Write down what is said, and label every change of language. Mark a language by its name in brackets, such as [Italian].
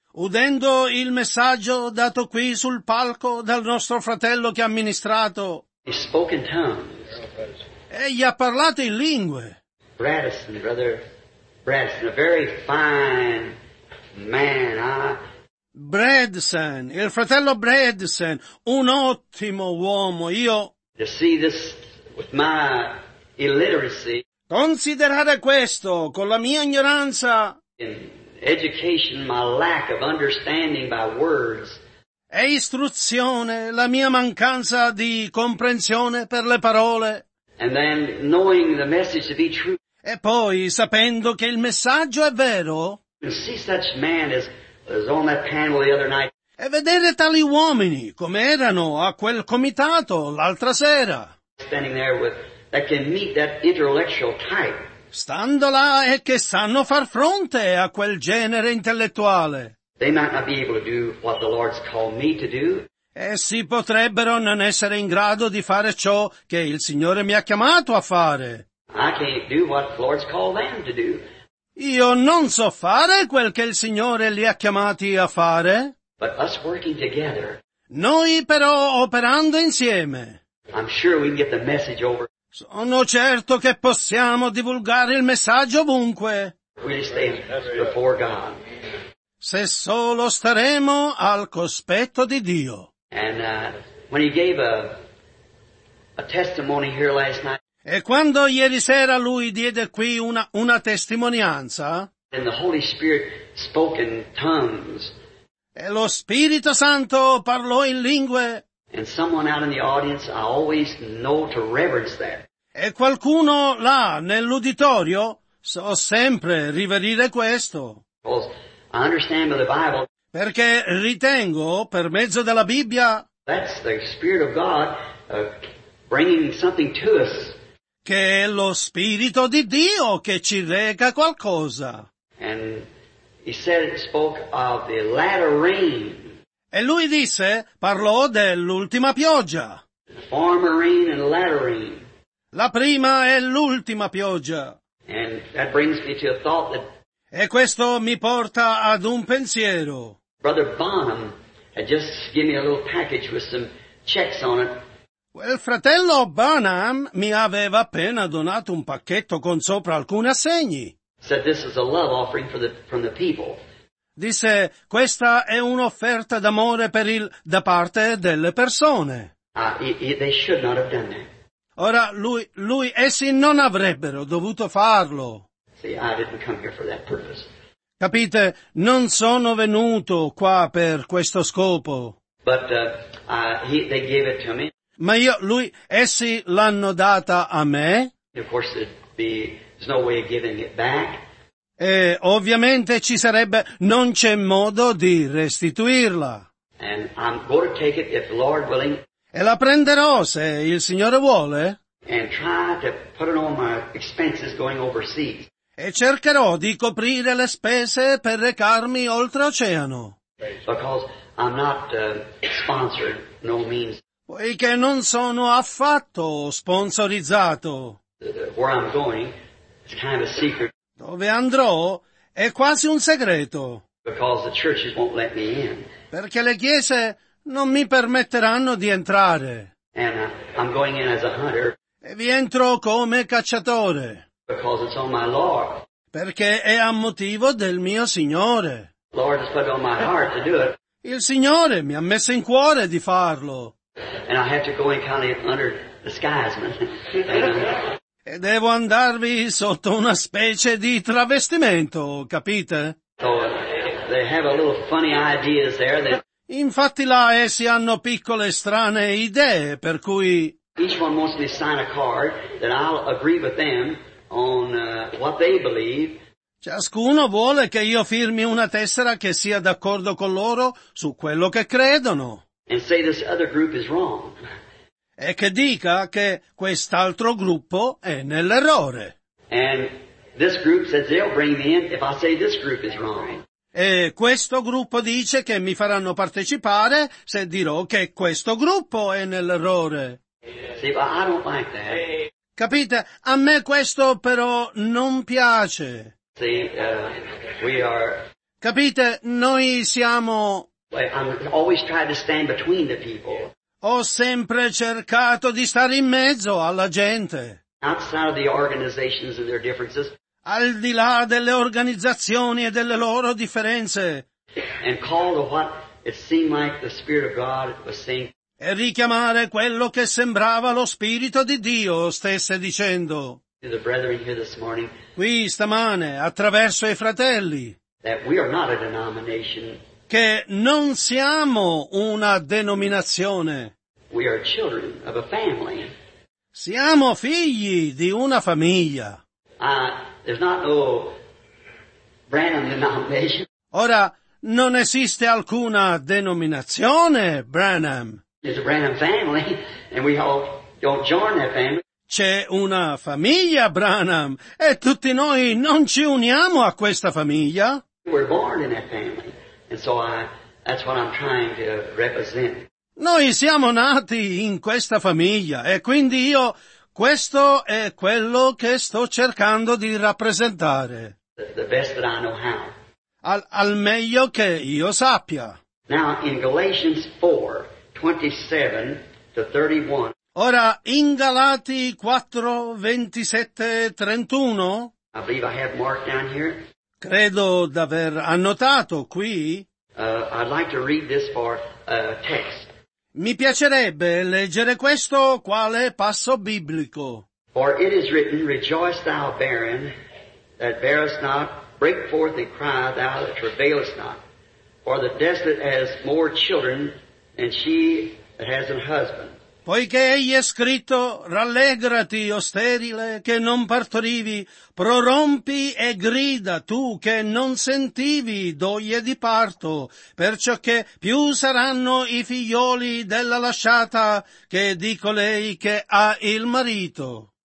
[Italian] udendo il messaggio dato qui sul palco dal nostro fratello che ha ministrato, [English] he spoke in tongues. [Italian] Egli ha parlato in lingue. [English] Bradison, brother Bradison, a very fine man, [Italian] Bradson, il fratello Bradson, un ottimo uomo, io. [English] To see this with my illiteracy. [Italian] Considerare questo con la mia ignoranza. [English] In education, my lack of understanding by words. [Italian] E istruzione, la mia mancanza di comprensione per le parole. [English] And then knowing the message to be true. [Italian] E poi sapendo che il messaggio è vero. [English] To see such man as was on that panel the other night. [Italian] E vedere tali uomini come erano a quel comitato l'altra sera. [English] Standing there with that can meet that intellectual type. [Italian] Stando là e che sanno far fronte a quel genere intellettuale. [English] They might not be able to do what the Lord's called me to do. [Italian] Essi potrebbero non essere in grado di fare ciò che il Signore mi ha chiamato a fare. [English] I can't do what the Lord's called them to do. [Italian] Io non so fare quel che il Signore li ha chiamati a fare. [English] But us working together, [Italian] noi però operando insieme. [English] I'm sure we can get the message over. [Italian] Sono certo che possiamo divulgare il messaggio ovunque. [English] We'll stay before God. [Italian] Se solo staremo al cospetto di Dio. [English] And when he gave a testimony here last night. [Italian] E quando ieri sera lui diede qui una testimonianza, [English] and the Holy Spirit spoke in tongues, [Italian] e lo Spirito Santo parlò in lingue, [English] and someone out in the audience I always know to reverence that. [Italian] E qualcuno là nell'uditorio so sempre riverire questo. [English] Because I understand by the Bible, [Italian] perché ritengo per mezzo della Bibbia, [English] that's the Spirit of God bringing something to us. [Italian] Che è lo Spirito di Dio che ci reca qualcosa. [English] And he said it spoke of the latter rain. [Italian] E lui disse, parlò dell'ultima pioggia. [English] The former rain and the latter rain. [Italian] La prima e l'ultima pioggia. [English] And that brings me to a thought that. [Italian] E questo mi porta ad un pensiero. [English] Brother Bonham had just given me a little package with some checks on it. [Italian] Quel fratello Bonham mi aveva appena donato un pacchetto con sopra alcuni assegni. [English] Said this is a love offering for the, from the people. [Italian] Disse, questa è un'offerta d'amore per il, da parte delle persone. [English] They should not have done that. [Italian] Ora, lui, essi non avrebbero dovuto farlo. [English] See, I didn't come here for that purpose. [Italian] Capite, non sono venuto qua per questo scopo. [English] They gave it to me. [Italian] Ma io, lui, essi l'hanno data a me. [English] Of course there's no way of giving it back. [Italian] E ovviamente ci sarebbe, non c'è modo di restituirla. [English] And I'm going to take it if the Lord willing. [Italian] E la prenderò se il Signore vuole. [English] And try to put it on my expenses going overseas. [Italian] E cercherò di coprire le spese per recarmi oltreoceano. [English] Because I'm not sponsored, no means. [Italian] Poiché non sono affatto sponsorizzato. [English] Where I'm going, it's kind of a secret. [Italian] Dove andrò è quasi un segreto. [English] Because the churches won't let me in. [Italian] Perché le chiese non mi permetteranno di entrare. [English] And I'm going in as a hunter. [Italian] E vi entro come cacciatore. [English] Because it's on my Lord. [Italian] Perché è a motivo del mio Signore. [English] Lord has put it on my heart to do it. [Italian] Il Signore mi ha messo in cuore di farlo. [English] And I have to go in kind of under disguisement. [Italian] E devo andarvi sotto una specie di travestimento, capite? [English] So, they have a little funny ideas there that... [Italian] Infatti là essi hanno piccole strane idee, per cui... [English] Each one wants me to sign a card that I'll agree with them on what they believe. [Italian] Ciascuno vuole che io firmi una tessera che sia d'accordo con loro su quello che credono. [English] And say this other group is wrong. [Italian] E che dica che quest'altro gruppo è nell'errore. [English] And this group says they'll bring me in if I say this group is wrong. [Italian] E questo gruppo dice che mi faranno partecipare se dirò che questo gruppo è nell'errore. [English] See, but I don't like that. [Italian] Capite? A me questo però non piace. [English] See, we are... [Italian] Capite? Noi siamo... [English] I'm always trying to stand between the people. [Italian] Ho sempre cercato di stare in mezzo alla gente. [English] Outside of the organizations and their differences. [Italian] Al di là delle organizzazioni e delle loro differenze. [English] And call to what it seemed like the Spirit of God was saying. [Italian] E richiamare quello che sembrava lo Spirito di Dio stesse dicendo. [English] To the brethren here this morning. [Italian] Qui stamane, attraverso i fratelli. [English] That we are not a denomination. [Italian] Che non siamo una denominazione. [English] We are children of a family. [Italian] Siamo figli di una famiglia. [English] There's not no Branham denomination. [Italian] Ora, non esiste alcuna denominazione, Branham. [English] There's a Branham family, and we all don't join that family. [Italian] C'è una famiglia, Branham, e tutti noi non ci uniamo a questa famiglia. [English] We're born in that family. And so that's what I'm trying to represent. [Italian] Noi siamo nati in questa famiglia e quindi io questo è quello che sto cercando di rappresentare. [English] The best that I know how. [Italian] Al meglio che io sappia. [English] Now in Galatians 4, 27 to 31. [Italian] Ora in Galati 4, 27, 31. [English] I believe I have marked down here. [Italian] Credo d'aver annotato qui. [English] I'd like to read this for text. [Italian] Mi piacerebbe leggere questo quale passo biblico. [English] For it is written, rejoice thou barren that bearest not, break forth and cry thou that travailest not. For the desolate has more children than she that has an husband. [Italian] Poiché egli è scritto, rallegrati, o sterile, che non partorivi, prorompi e grida, tu che non sentivi doglie di parto, perciò che più saranno i figlioli della lasciata che di colei che ha il marito.